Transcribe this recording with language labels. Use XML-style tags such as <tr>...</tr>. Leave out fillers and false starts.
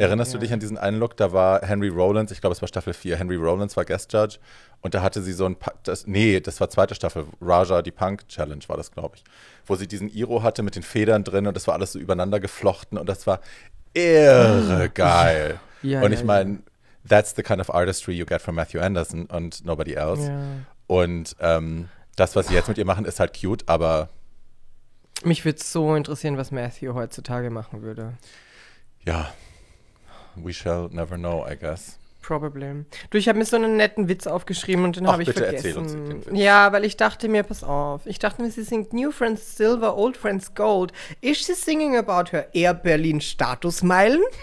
<de>Erinnerst du dich an diesen einen Look? Da war Henry Rollins, ich glaube, es war Staffel 4, Henry Rollins war Guest Judge und da hatte sie so ein das war zweite Staffel, Raja, die Punk Challenge war das, glaube ich, wo sie diesen Iro hatte mit den Federn drin und das war alles so übereinander geflochten und das war irre geil. Ja, und ich meine,</de> <en>that's the kind of artistry you get from Matthew Anderson and nobody else. Ja.</en> <de>Und das, was sie jetzt mit ihr machen, ist halt cute, aber mich würde so interessieren, was Matthew heutzutage machen würde.</de> <en>Ja, we shall never know, I guess. Probably.</en> <de>Du, ich habe mir so einen netten Witz aufgeschrieben und den habe ich vergessen. Erzähl uns den Witz. Ja, weil ich dachte mir, pass auf, ich dachte mir, sie singt New Friends Silver, Old Friends Gold.</de> <en>Is she singing about her Air Berlin Statusmeilen?</en>